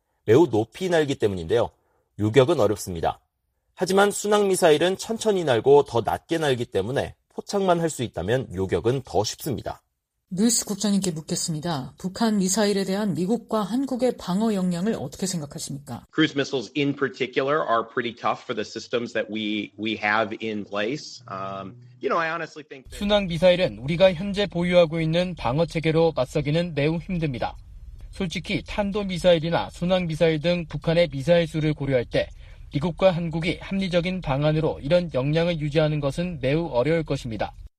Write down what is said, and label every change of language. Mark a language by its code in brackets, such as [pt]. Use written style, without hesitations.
[ko] 매우 높이 날기 때문인데요. 요격은 어렵습니다. 하지만 순항미사일은 천천히 날고 더 낮게 날기 때문에 포착만 할 수 있다면 요격은 더 쉽습니다. 뉴스 국장님께 묻겠습니다. 북한 미사일에 대한 미국과 한국의 방어 역량을 어떻게 생각하십니까? [en] Cruise missiles in particular are pretty tough for the systems that we have in place. You know, I honestly think [ko] 순항 미사일은 우리가 현재 보유하고 있는 방어 체계로 맞서기는 매우 힘듭니다. 솔직히 탄도 미사일이나 순항 미사일 등 북한의 미사일 수를 고려할 때 미국과 한국이 합리적인 방안으로 이런 역량을 유지하는 것은 매우 어려울 것입니다.